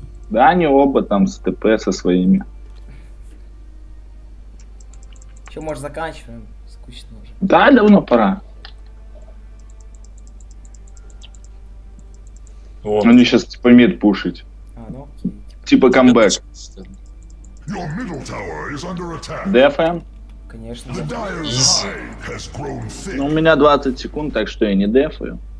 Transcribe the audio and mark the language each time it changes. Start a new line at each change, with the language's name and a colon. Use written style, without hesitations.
Russian: Да они оба там с ТП со своими. Че, может, заканчиваем? Скучно уже. Да, давно пора. Вот. Они сейчас типа мид пушить. А, ну, окей. Типа камбэк.
English: Your middle tower is under attack.
Russian: ДФМ? Конечно. Ну, у меня 20 секунд, так что я не дефаю.